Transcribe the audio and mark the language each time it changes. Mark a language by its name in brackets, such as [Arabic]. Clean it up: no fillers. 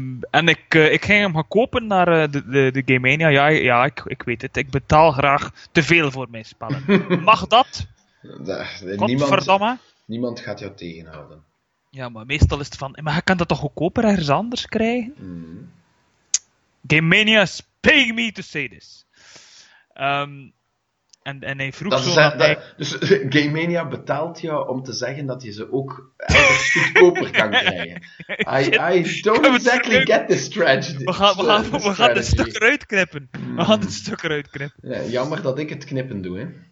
[Dutch] En ik ging hem gaan kopen naar de Game Mania. Ja, ik weet het. Ik betaal graag te veel voor mijn spellen. Mag dat? Godverdamme. Niemand gaat jou tegenhouden. Ja, maar meestal is het van... Maar je kan dat toch goedkoper ergens anders krijgen? [English] Game Mania is paying me to say this. [Dutch] En hij vroeg dat zo... Dus Game Mania betaalt jou om te zeggen dat je ze ook ergens goedkoper kan krijgen. [English] I don't exactly get this tragedy. [Dutch] We gaan het stuk eruit knippen. We gaan het stuk eruit knippen. Ja, jammer dat ik het knippen doe, hè.